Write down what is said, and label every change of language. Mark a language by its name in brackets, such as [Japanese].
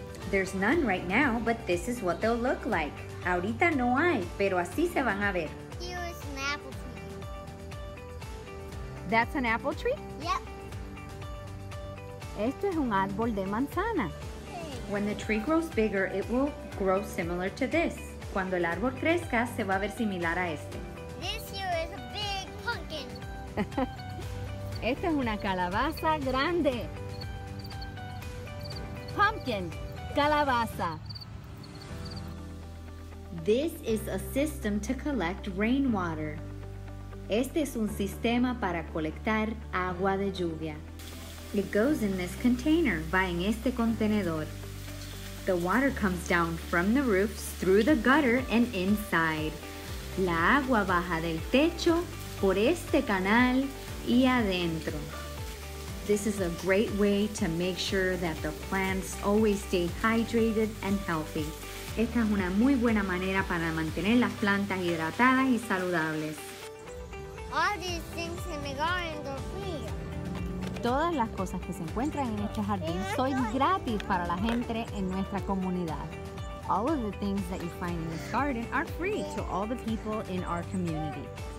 [English] There's none right now, but this is what they'll look like. [Spanish] Ahorita no hay, pero así se van a ver. [English] Here is an apple tree. That's an apple tree? Yep. [Spanish] Esto es un árbol de manzana. [English] When the tree grows bigger, it will grow similar to this. [Spanish] Cuando el árbol crezca, se va a ver similar a este. [English] This here is a big pumpkin. [Spanish] Esta es una calabaza grande. [English] Pumpkin, calabaza. This is a system to collect rainwater. [Spanish] Este es un sistema para colectar agua de lluvia. [English] It goes in this container, [Spanish] va en este contenedor. [English] The water comes down from the roofs, through the gutter, and inside. [Spanish] La agua baja del techo, por este canal, y adentro. [English] This is a great way to make sure that the plants always stay hydrated and healthy. [Spanish] Esta es una muy buena manera para mantener las plantas hidratadas y saludables. [English] All these things in the garden are free. [Spanish] Todas las cosas que se encuentran en este jardín son gratis para la gente en nuestra comunidad. [English] All of the things that you find in this garden are free to all the people in our community.